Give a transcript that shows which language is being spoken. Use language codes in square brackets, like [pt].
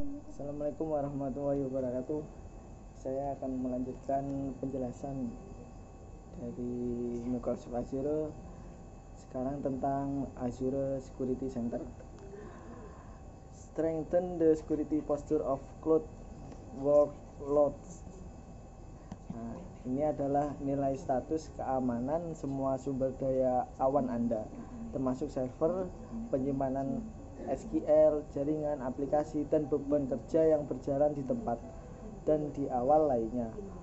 [ar] Assalamualaikum warahmatullahi wabarakatuh. [id] Saya akan melanjutkan penjelasan dari Microsoft Azure sekarang tentang Azure Security Center. [en] Strengthen the security posture of cloud workloads. [id] Nah, ini adalah nilai status keamanan semua sumber daya awan Anda, termasuk server, penyimpanan SQL, jaringan, aplikasi, dan beban kerja yang berjalan di tempat dan di awal lainnya.